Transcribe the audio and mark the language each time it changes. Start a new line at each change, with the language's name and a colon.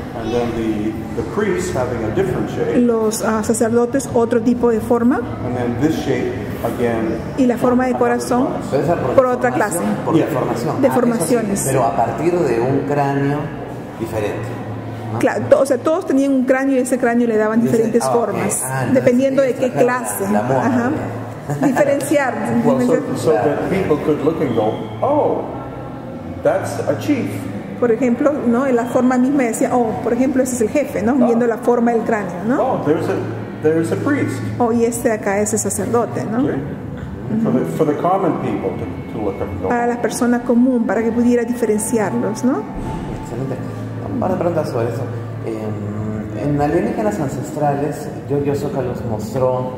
English: And then the priests having a different shape.
Spanish: Los sacerdotes otro tipo de forma.
English: And then this shape again.
Spanish: Y la forma de corazón por otra clase. Por deformación. Deformaciones. Pero a partir de un cráneo diferente. Claro, o sea, todos tenían un cráneo y ese cráneo le daban diferentes formas, dependiendo de qué clase. Ajá. Diferenciar.
English: So that people could look and go, oh, that's a chief.
Spanish: Por ejemplo, ¿no? En la forma misma decía, oh, por ejemplo, ese es el jefe, ¿no? Viendo la forma del cráneo, ¿no?
English: Oh, there's a priest.
Spanish: Oh, y este acá es el sacerdote, ¿no?
English: For the common people to look at.
Spanish: Para la persona común, para que pudiera diferenciarlos, ¿no? Excelente. Para preguntar sobre eso. En alienígenas ancestrales, Giorgio Tsokalos mostró...